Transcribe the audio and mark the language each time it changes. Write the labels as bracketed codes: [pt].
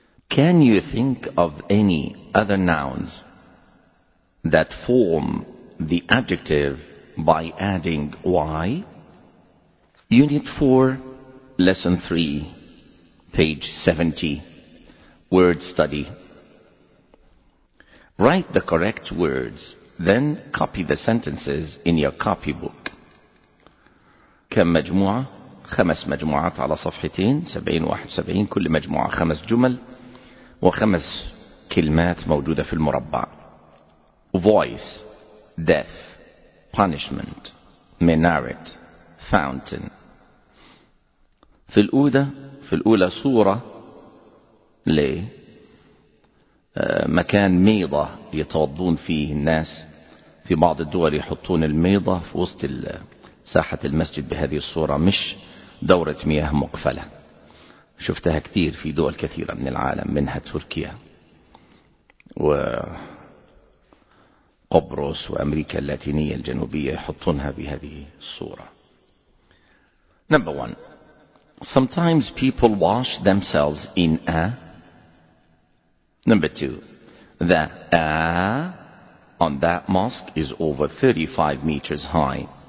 [en] Can you think of any other nouns that form the adjective by adding y? Unit 4, Lesson 3, page 70, Word Study. Write the correct words, then copy the sentences in your copybook. [ar] كم مجموعة؟ خمس مجموعات على صفحتين، 70 و 71، كل مجموعة خمس جمل وخمس كلمات موجودة في المربع. [en] Voice, death, punishment, minaret, fountain. [ar] في الأولى صورة لي مكان ميضة يتوضون فيه الناس، في بعض الدول يحطون الميضة في وسط ساحة المسجد بهذه الصورة، مش دورة مياه مقفلة، شفتها كثير في دول كثيرة من العالم منها تركيا وقبرص وأمريكا اللاتينية الجنوبية يحطونها بهذه الصورة. [en] Number one, sometimes people wash themselves in a. Number two, the A on that mosque is over 35 meters high.